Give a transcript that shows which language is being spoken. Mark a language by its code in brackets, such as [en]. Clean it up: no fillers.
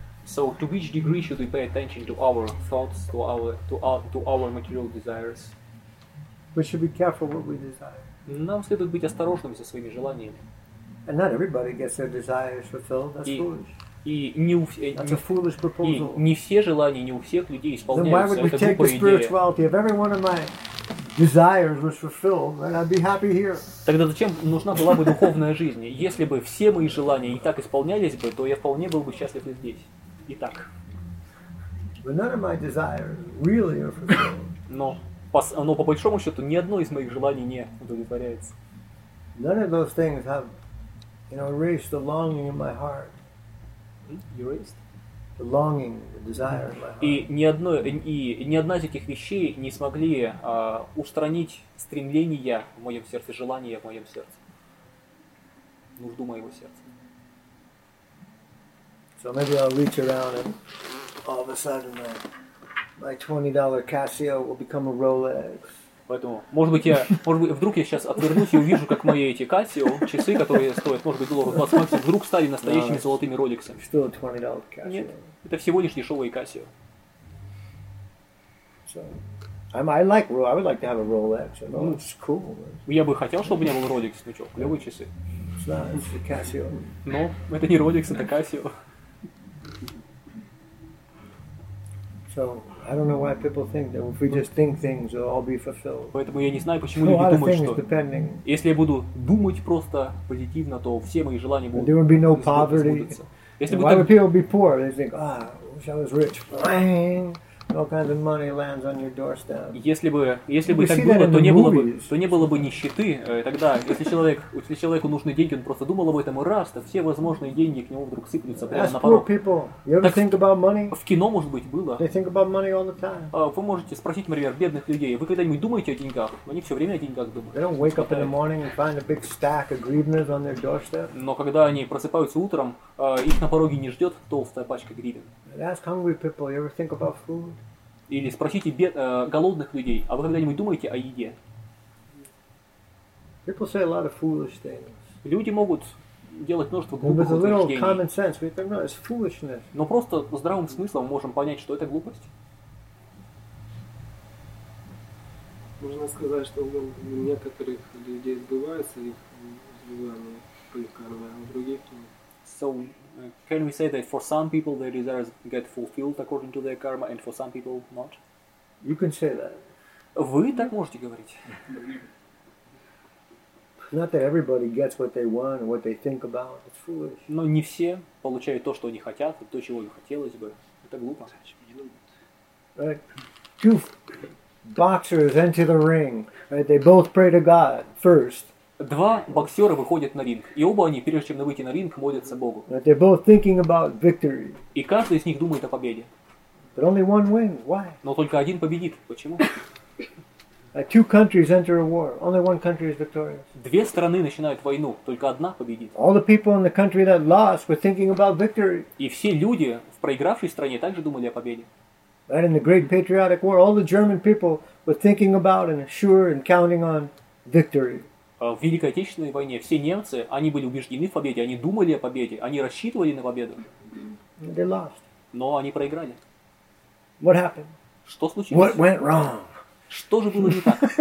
[en] So, to which degree should we pay attention to our thoughts, to our material desires? We should be careful what we desire. [ru] Нам следует быть осторожными со своими желаниями. [en] And not everybody gets their desires fulfilled. That's foolish. That's a foolish proposal. [ru] И не все желания, не у всех людей исполняются. [en] Then why would we take the spirituality if every one of my desires was fulfilled, then I'd be happy here. [ru] Тогда зачем нужна была бы духовная жизнь? Если бы все мои желания и так исполнялись бы, то я вполне был бы счастлив и здесь. Итак. [en] But none of my desires really are fulfilled. [ru] Но по большому счету ни одно из моих желаний не удовлетворяется. [en] None of those things have, you know, erased the longing in my heart. Erased? The longing, the desire in my heart. [ru] И ни одна из этих вещей не смогли устранить стремления в моем сердце, желания в моем сердце, нужду моего сердца. [en] So maybe I'll reach around and all of a sudden my $20 Casio will become a Rolex. [ru] Поэтому, может быть, вдруг я сейчас отвернусь и увижу, как мои эти Casio, часы, которые стоят, может быть, долларов 20 максимум, вдруг стали настоящими золотыми Rolex'ами. [en] Still a $20 Casio. [ru] Нет, это всего лишь дешевые Casio. [en] So, I would like to have a Rolex. It's cool. [ru] Я бы хотел, чтобы у меня был Rolex, ну что, клевые часы. [en] It's a Casio. [ru] Но это не Rolex, это Casio. [en] So I don't know why people think that if we just think things, they'll all be fulfilled. [ru] Поэтому я не знаю, почему люди думают, что если я буду думать просто позитивно, то все мои желания будут. [en] There would be no poverty. Why would people be poor? They think, wish I was rich. Bang! All kinds of money lands on your doorstep. [ru] Если бы так было, то не было бы нищеты. Тогда, если человеку нужны деньги, он просто думал об этом, и раз, то все возможные деньги к нему вдруг сыплются прямо на порог. [en] You ever think about money? [ru] В кино, может быть, было. [en] They think about money all the time. [ru] Вы можете спросить, например, бедных людей, вы когда-нибудь думаете о деньгах? Они все время о деньгах думают. [en] They don't wake up in the morning and find a big stack of grievances on their doorstep. [ru] Но когда они просыпаются утром, их на пороге не ждет толстая пачка гривен. [en] Ask hungry people, you ever think about food? [ru] Или спросите голодных людей, а вы когда-нибудь думаете о еде? [en] People say a lot of foolish things. [ru] Люди могут делать множество глупых утверждений. [en] Common sense, we think, no, it's foolishness. [ru] Но просто здравым смыслом мы можем понять, что это глупость. Можно сказать, что у некоторых людей сбывается их желание по их карме, а у других нет. [en] So, can we say that for some people their desires get fulfilled according to their karma, and for some people not? You can say that. [ru] Вы так можете говорить. [en] Not that everybody gets what they want or what they think about. It's foolish. [ru] Но не все получают то, что они хотят, то, чего им хотелось бы. Это глупо. [en] Right. Two boxers enter the ring. Right. They both pray to God first. [ru] Два боксера выходят на ринг, и оба они, прежде чем выйти на ринг, молятся Богу. [en] They're both thinking about victory. [ru] И каждый из них думает о победе. [en] But only one wins. Why? [ru] Но только один победит. Почему? [en] Two countries enter a war. Only one country is victorious. [ru] Две страны начинают войну, только одна победит. [en] All the people in the country that lost were thinking about victory. [ru] И все люди в проигравшей стране также думали о победе. [en] And in the great patriotic war, all the German people were thinking about and sure and counting on victory. [ru] В Великой Отечественной войне все немцы, они были убеждены в победе, они думали о победе, они рассчитывали на победу. [en] They lost. [ru] Но они проиграли. [en] What happened? [ru] Что случилось? [en] What went wrong? [ru] Что же было не так?